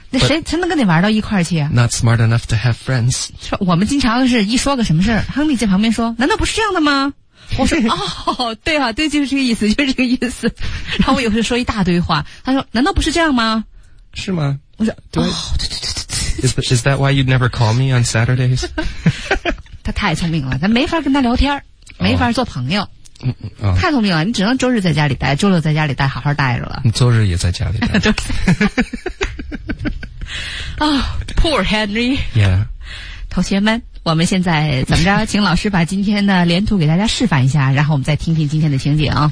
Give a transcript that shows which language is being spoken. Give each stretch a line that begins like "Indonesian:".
Chinese: 那谁才能跟你玩到一块去啊
English: ?Not smart enough to have friends.
Chinese: 我们经常是一说个什么事亨利在旁边说难道不是这样的吗我说哦对啊对就是这个意思就是这个意思。然后我有时候说一大堆话他说难道不是这样吗是吗我说对、哦、对对对对对。
English: Is that why you'd never call me on Saturdays?
Chinese: 他太聪明了咱没法跟他聊天没法做朋友。哦、太聪明了你只能周日在家里待周六在家里待好好待着了。你周日也在家里待。周日。
English: 啊、oh, ,poor Henry. Yeah.
Chinese: 同学们。我们现在怎么着请老师把今天的连读给大家示范一下然后我们再听听今天的情景、哦、